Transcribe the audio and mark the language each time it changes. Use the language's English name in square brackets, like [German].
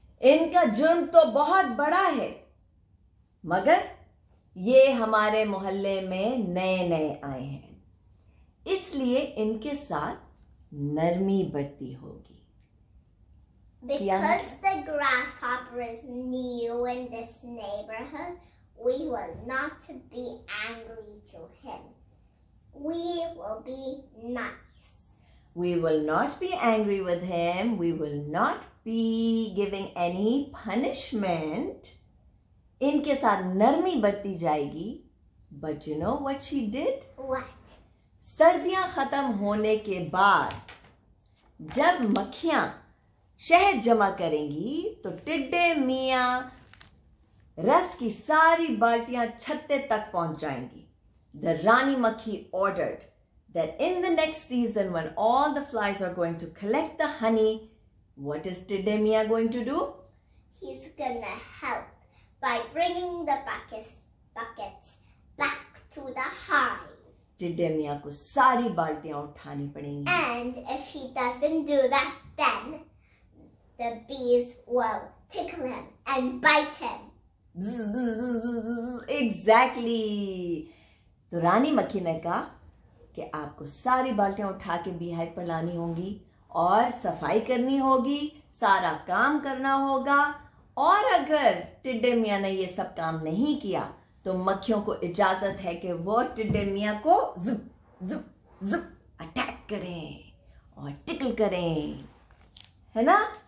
[Hindi] इनका जुर्म तो बहुत बड़ा है, मगर ये हमारे मोहल्ले में नए नए आए हैं, इसलिए इनके साथ नरमी बरती होगी. [English] Because the grasshopper is new in this neighborhood, we will not be angry to him. We will be nice. We will not be angry with him. We will not be giving any punishment. [Hindi] इनके साथ नरमी बरती जाएगी. [English] But you know what she did? What? [Hindi] सर्दियां खत्म होने के बाद जब मक्खियां शहद जमा करेंगी, तो टिड्डे मियाँ रस की सारी बाल्टियां छत्ते तक पहुंचाएंगी. [English] The Rani Makhi ordered that in the next season, when all the flies are going to collect the honey, what is Tidde Mia going to do? He's gonna help by bringing the buckets back to the hive. [Hindi] Tidde Mia ko sari baltiyan uthani padengi. [English] And if he doesn't do that, then the bees will tickle him and bite him. Exactly. [Hindi] तो रानी मक्खी ने कहा कि आपको सारी बाल्टियां उठा के बीहाइव पर लानी होंगी और सफाई करनी होगी, सारा काम करना होगा. और अगर टिड्डे मियाँ ने ये सब काम नहीं किया, तो मक्खियों को इजाजत है कि वो टिड्डे मियाँ को जुप जुप जुप अटैक करें और टिकल करें, है ना?